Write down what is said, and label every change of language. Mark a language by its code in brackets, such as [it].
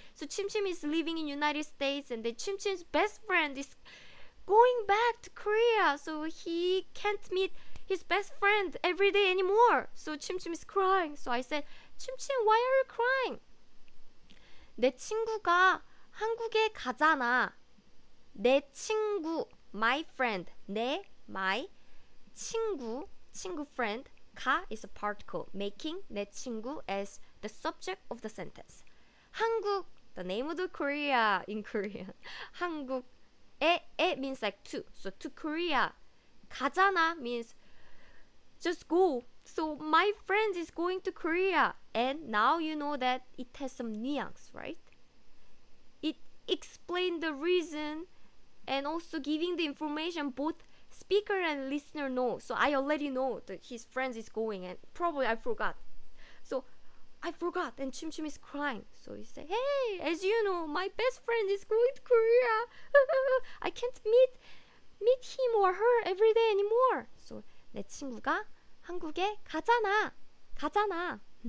[en] So 침침 is living in United States, and then 침침's best friend is going back to Korea. So he can't meet his best friend every day anymore. So 침침 is crying. So I said, 침침, why are you crying? [ko] 내 친구가 한국에 가잖아. 내 친구, [en] my friend, 내, my, 친구, 친구 friend, 가 is a particle, making 내 친구 as the subject of the sentence. 한국, the name of the Korea in Korean. 한국, 에 means like to, so to Korea. 가잖아 means just go. So my friend is going to Korea. And now you know that it has some nuance, right? It explains the reason. And also giving the information both speaker and listener know. So I already know that his friend is going, and probably I forgot. So I forgot, and Chim Chim is crying. So he said, "Hey, as you know, my best friend is going to Korea. I can't meet him or her every day anymore." So [ko] 내 친구가 한국에 가잖아, 가잖아.